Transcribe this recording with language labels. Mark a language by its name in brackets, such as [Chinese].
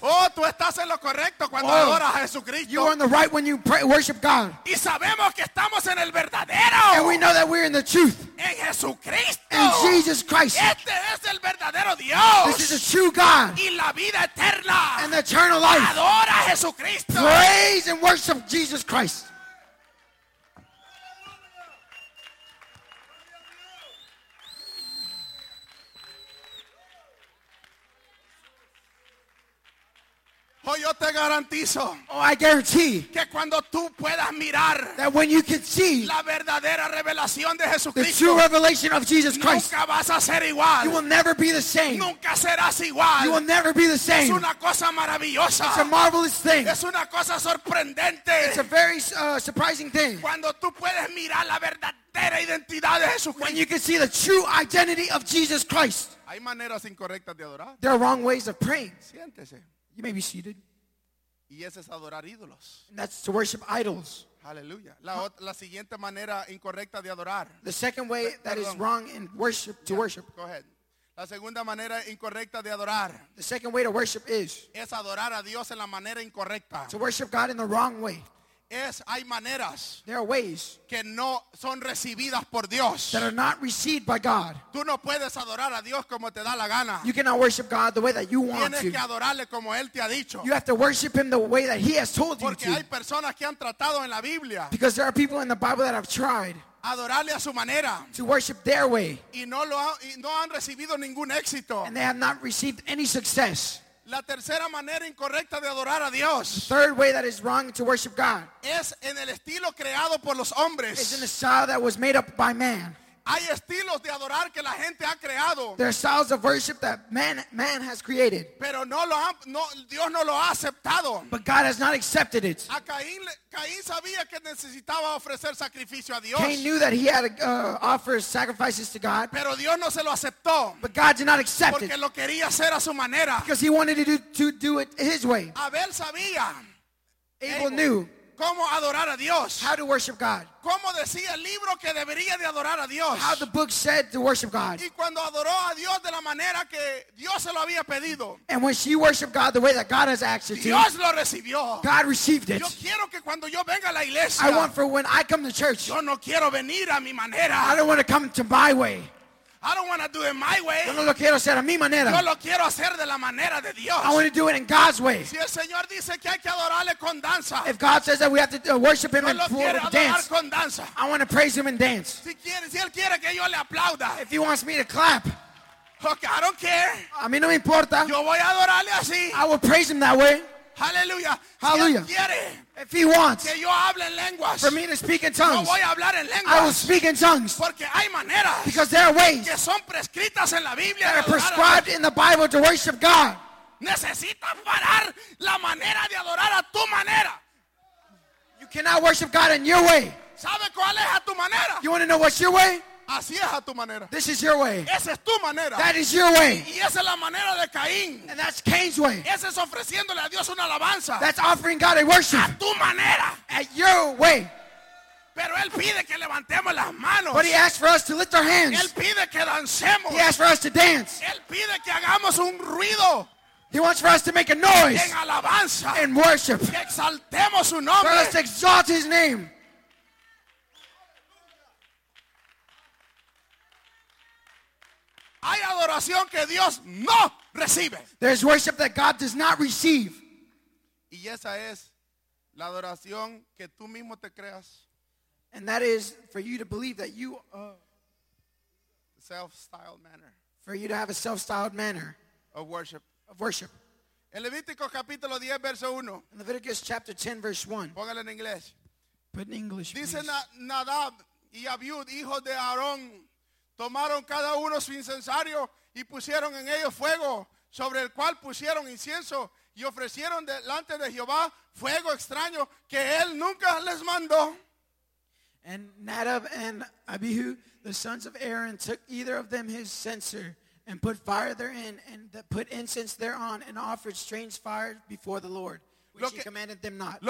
[Spanish] Oh, tú estás en lo correcto cuando adoras a Jesucristo. [English] You are on the right when you pray, worship God. [Spanish] Y sabemos que estamos en el verdadero. [English] And we know that we're in the truth. [Spanish] En Jesucristo. [English] In Jesus Christ. [Spanish] Este es el verdadero Dios. [English] This is the true God. [Spanish] Y la vida eterna. [English] And the eternal life. [Spanish] Adora a Jesucristo. [English] Praise and worship Jesus Christ. [Spanish] Oh, yo te garantizo. [English] Oh, I guarantee. [Spanish] Que cuando tú puedas mirar. [English] That when you can see. [Spanish] La verdadera revelación de Jesucristo. [English] The true revelation of Jesus Christ. [Spanish] Nunca vas a ser igual. [English] You will never be the same. [Spanish] Nunca serás igual. [English] You will never be the same. [Spanish] Es una cosa maravillosa. [English] It's a marvelous thing. [Spanish] Es una cosa sorprendente. [English] It's a very surprising thing. [Spanish] Cuando tú puedes mirar la verdadera identidad de Jesucristo. [English] When you can see the true identity of Jesus Christ. [Spanish] Hay maneras incorrectas de adorar. [English] There are wrong ways of praying. [Spanish] Siéntese. [English] You may be seated. [Spanish] Y ese es adorar ídolos. [English] And that's to worship idols. [Spanish] Hallelujah. La siguiente manera incorrecta de adorar. [English] The second way that is wrong in worship, to worship. Go ahead. [Spanish] La segunda manera incorrecta de adorar. [English] The second way to worship is. [Spanish] Es adorar a Dios en la manera incorrecta. [English] To worship God in the wrong way. [Spanish] Es, hay maneras. [English] There are ways. [Spanish] Que no son recibidas por Dios. [English] That are not received by God. [Spanish] Tú no puedes adorar a Dios como te da la gana. [English] You cannot worship God the way that you want [Spanish] to. Tienes que adorarle como Él te ha dicho. [English] You have to worship Him the way that He has told you to. [Spanish] Porque hay personas que han tratado en la Biblia. [English] Because there are people in the Bible that have tried. [Spanish] Adorarle a su manera. [English] To worship their way. [Spanish] Y no lo ha, y no han recibido ningún éxito. [English] And they have not received any success. [Spanish] La tercera manera incorrecta de adorar a Dios. [English] The third way that is wrong to worship God. [Spanish] Es en el estilo creado por los hombres. [English] It's in the style that was made up by man. [Spanish] Hay estilos de adorar que la gente ha creado. [English] There are styles of worship that man has created. [Spanish] Pero no lo han, no, Dios no lo ha aceptado. [English] But God has not accepted it. [Spanish] A Caín sabía que necesitaba ofrecer sacrificio a Dios. [English] Cain knew that he had to offer sacrifices to God. [Spanish] Pero Dios no se lo aceptó. [English] But God did not accept [Spanish] porque [English] it. [Spanish] Porque lo quería hacer a su manera. [English] Because he wanted to do it his way. [Spanish] Abel sabía. [English] Abel knew. [Spanish] ¿Cómo adorar a Dios? [English] How to worship God. [Spanish] ¿Cómo decía el libro que debería de adorar a Dios? [English] How the book said to worship God. [Spanish] Y cuando adoró a Dios de la manera que Dios se lo había pedido. [English] And when she worshiped God the way that God has asked her to. [Spanish] Dios lo recibió. [English] God received it. [Spanish] Yo quiero que cuando yo venga a la iglesia. [English] I want for when I come to church. Yo no quiero venir a mi manera. I don't want to come to my way. I don't want to do it my way. [Spanish] Yo no lo quiero hacer a mi manera. Yo lo quiero hacer de la manera de Dios. [English] I want to do it in God's way. [Spanish] Si el Señor dice que hay que adorarle con danza. [English] If God says that we have to worship Him in full dance. [Spanish] Con danza. [English] I want to praise Him in dance. [Spanish] Si quiere, si él quiere que yo le aplauda. [English] If He wants me to clap. Okay, I don't care. [Spanish] A mí no me importa. Yo voy a adorarle así. [English] I will praise Him that way. Hallelujah. Hallelujah. [Spanish] Si él quiere, [English] if He wants [Spanish] que yo hable en lenguas, [English] for me to speak in tongues, [Spanish] yo voy a hablar en lenguas, [English] I will speak in tongues. [Spanish] Porque hay maneras, [English] because there are ways [Spanish] que son prescritas en la Biblia, [English] that are prescribed in the Bible to worship God. [Spanish] Necesitas parar la manera de adorar a tu manera. [English] You cannot worship God in your way. [Spanish] ¿Sabe cuál es a tu manera? [English] You want to know what's your way? [Spanish] Así es a tu manera. [English] This is your way. [Spanish] Esa es tu manera. [English] That is your way. [Spanish] Y esa es la manera de Caín. [English] And that's Cain's way. [Spanish] Esa es ofreciéndole a Dios una alabanza. [English] That's offering God a worship. [Spanish] A tu manera. [English] At your way. [Spanish] Pero él pide que levantemos las manos. [English] But he asked for us to lift our hands. [Spanish] Él pide que dancemos. [English] He asked for us to dance. [Spanish] Él pide que hagamos un ruido. [English] He wants for us to make a noise. [Spanish] En alabanza. [English] In worship. [Spanish] Que exaltemos su nombre. [English] Let us exalt his name. [Spanish] Hay adoración que Dios no recibe. [English] There's worship that God does not receive. [Spanish] Y esa es la adoración que tú mismo te creas. [English] And that is for you to believe that you self-styled manner. For you to have a self-styled manner of worship. Of worship. [Spanish] En Levítico capítulo 10 verso 1. [English] In Leviticus chapter 10 verse 1. [Spanish] Póngale en inglés. [English] Put in English. [Spanish] Dice Nadab y Abiud, hijos de Aarón, tomaron cada uno su incensario y pusieron en ellos fuego, sobre el cual pusieron incienso y ofrecieron delante de Jehová fuego extraño que él nunca les mandó. [English] And Nadab and Abihu, the sons of Aaron, took either of them his censer and put fire therein and put incense thereon and offered strange fire before the Lord, which he commanded them not.